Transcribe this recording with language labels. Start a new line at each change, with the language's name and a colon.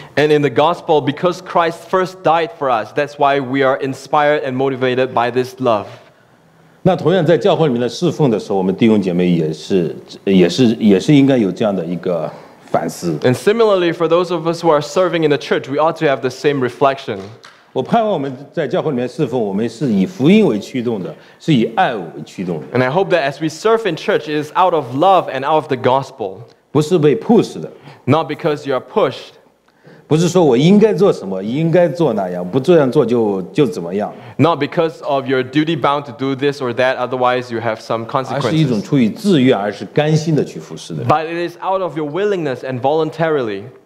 English: And in the gospel, because Christ first died for us, that's why we are inspired and motivated by this love.
Chinese: 那同样在教会里面的侍奉的时候，我们弟兄姐妹也是应该有这样的一个反思。
English: And similarly, for those of us who are serving in the church, we ought to have the same reflection.
Chinese: 我盼望我们在教会里面侍奉，我们是以福音为驱动的，是以爱为驱动的。
English: And I hope that as we serve in church, it is out of love and out of the gospel.
Chinese: 不是被 push 的。
English: Not because you are pushed.
Chinese: 不是说我应该做什么，应该做那样，不这样做就怎么样。
English: Not because of your duty bound to do this or that, otherwise you have some consequences.
Chinese: 而是一种出于自愿，而是甘心的去服侍的。
English: But it is out of your willingness and voluntarily.